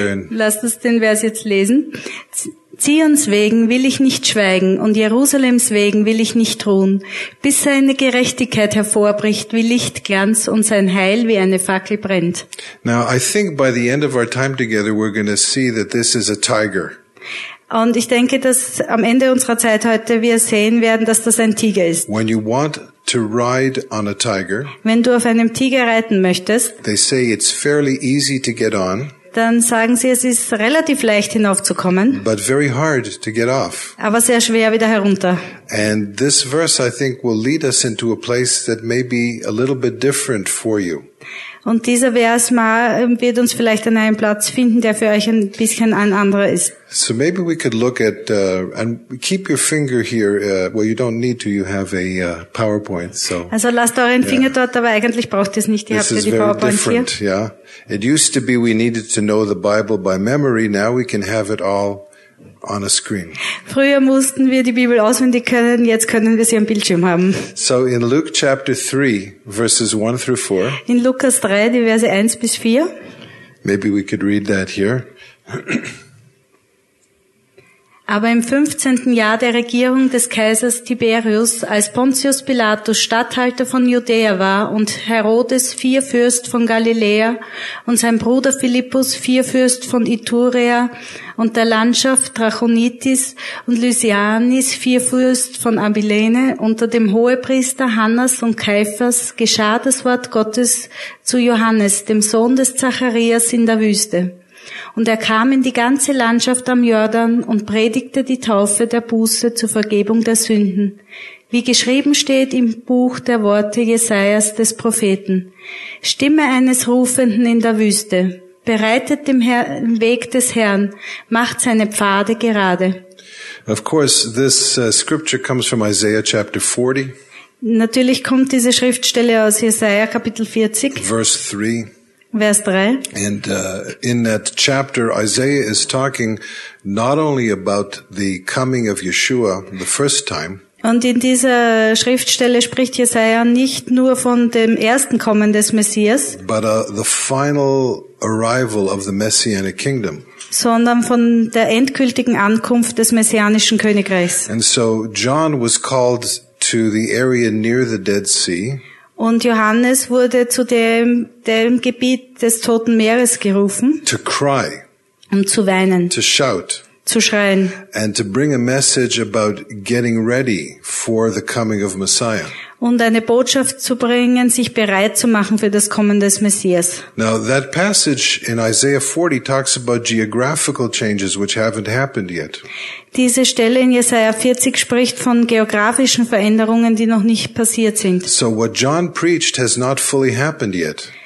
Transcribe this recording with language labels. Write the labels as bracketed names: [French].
[German] Lasst uns den Vers jetzt lesen. Zions wegen will ich nicht schweigen und Jerusalems wegen will ich nicht ruhen, bis seine Gerechtigkeit hervorbricht wie Lichtglanz und sein Heil wie eine Fackel brennt. [English] Now I think by the end of our time together we're going to see that this is a tiger. [German] Und ich denke, dass am Ende unserer Zeit heute wir sehen werden, dass das ein Tiger ist. [English] When you want to ride on a tiger, [German] wenn du auf einem Tiger reiten möchtest, [English] they say it's fairly easy to get on. [German] Dann sagen sie, es ist relativ leicht hinaufzukommen. [English] But very hard to get off. [German] Aber sehr schwer wieder herunter. [English] And this verse I think will lead us into a place that may be a little bit different for you. [German] Und dieser Vers wird uns vielleicht an einem Platz finden, der für euch ein bisschen ein anderer ist. [English] So maybe we could look at, and keep your finger here, well, you don't need to, you have a PowerPoint, so. [German] Also lasst euren Finger dort, aber eigentlich braucht ihr es nicht, ihr habt ja die PowerPoint hier. [English] This is very different, yeah. It used to be we needed to know the Bible by memory, now we can have it all on a screen. [German] Früher mussten wir die Bibel auswendig können, jetzt können wir sie am Bildschirm haben. [English] So in Luke chapter 3, verses 1 through 4. [German] In Lukas 3, die Verse 1 bis 4. [English] Maybe we could read that here. [German] Aber im 15. Jahr der Regierung des Kaisers Tiberius, als Pontius Pilatus Statthalter von Judäa war und Herodes Vierfürst von Galiläa und sein Bruder Philippus Vierfürst von Iturea und der Landschaft Trachonitis und Lysianis Vierfürst von Abilene unter dem Hohepriester Hannas und Kaiphas geschah das Wort Gottes zu Johannes, dem Sohn des Zacharias in der Wüste. Und er kam in die ganze Landschaft am Jordan und predigte die Taufe der Buße zur Vergebung der Sünden. Wie geschrieben steht im Buch der Worte Jesajas des Propheten. Stimme eines Rufenden in der Wüste. Bereitet dem Herrn Weg des Herrn. Macht seine Pfade gerade. [English] Of course, this scripture comes from Isaiah chapter 40. [German] Natürlich kommt diese Schriftstelle aus Jesaja Kapitel 40. [English] Verse 3. [German] Vers 3. [English] And in that chapter, Isaiah is talking not only about the coming of Yeshua the first time. [German] Und in dieser Schriftstelle spricht Jesaja nicht nur von dem ersten Kommen des Messias, [English] but the final arrival of the Messianic Kingdom. [German] Sondern von der endgültigen Ankunft des messianischen Königreichs. [English] And so John was called to the area near the Dead Sea. [German] Und Johannes wurde zu dem Gebiet des Toten Meeres gerufen, [English] to cry, [German] um zu weinen, [English] to shout, [German] zu schreien, [English] and to bring a message about getting ready for the coming of Messiah. [German] Und eine Botschaft zu bringen, sich bereit zu machen für das Kommen des Messias. [English] Now that passage in Isaiah 40 talks about geographical changes which haven't happened yet. [German] Diese Stelle in Jesaja 40 spricht von geografischen Veränderungen, die noch nicht passiert sind. [English] So what John preached has not fully happened yet.